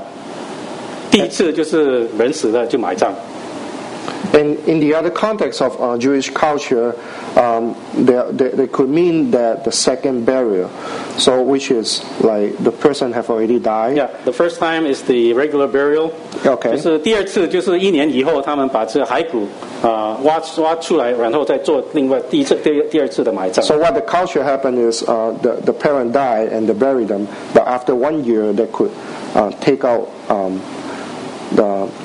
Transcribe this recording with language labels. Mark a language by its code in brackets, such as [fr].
[zh] 或许有另外一个情况，就是在犹太人的习惯的传统，就是他们有两次的埋葬，第一次就是人死了就埋葬。 [en] And in the other context of Jewish culture, they could mean that the second burial, so which is like the person have already died. Yeah, the first time is the regular burial. Okay. [zh] 就是第二次就是一年以后他们把这骸骨 挖出来，然后再做另外第二次的埋葬。 [en] So what the culture happened is the parent died and they buried them, but after 1 year they could take out the